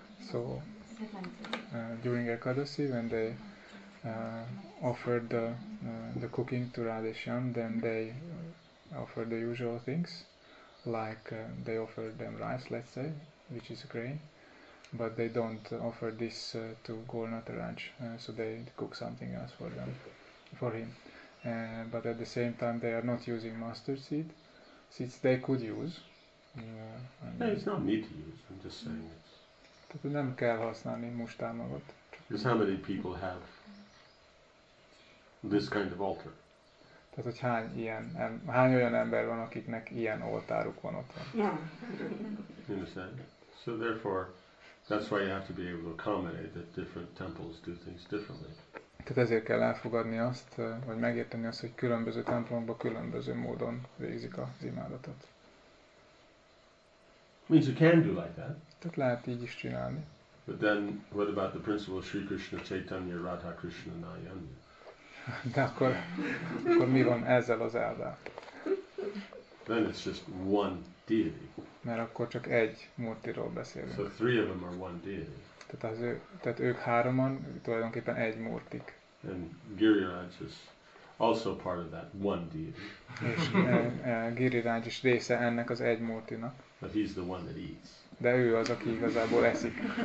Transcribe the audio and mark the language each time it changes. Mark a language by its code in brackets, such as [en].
[en] So, during Ekadasi, when they offered the cooking to Radhishyam, then they offered the usual things, like they offered them rice, let's say, which is grain, but they don't offer this to Gornataraj, so they cook something else for them, for him. But at the same time, they are not using mustard seed, seeds they could use. Yeah, it's not need to use, I'm just saying it. [hu] Tehát nem kell használni mustármagot. [en] Because how many people have this kind of altar? [hu] Tehát, hogy hány olyan ember van, akiknek ilyen oltáruk van ott van. [en] You understand? So therefore, that's why you have to be able to accommodate that different temples do things differently. [hu] Tehát ezért kell elfogadni azt, vagy megérteni azt, hogy különböző templomban különböző módon végzik az imádatot. [en] Means you can do like that. [hu] Tehát lehet így is csinálni. [en] But then, what about the principle of Sri Krishna, Chaitanya, Radha Krishna, Nayanya? [hu] De akkor mi van ezzel az elvvel? [en] Then it's just one deity. [hu] Mert akkor csak egy murtiról beszélünk. [en] So three of them are one deity. [hu] Tehát ők hároman tulajdonképpen egy murtik. [en] And Giriraj is also part of that one deity. [hu] És Giriraj is része ennek az egy murtinak. [en] But he's the one that eats. [hu] De ő az, aki igazából eszik.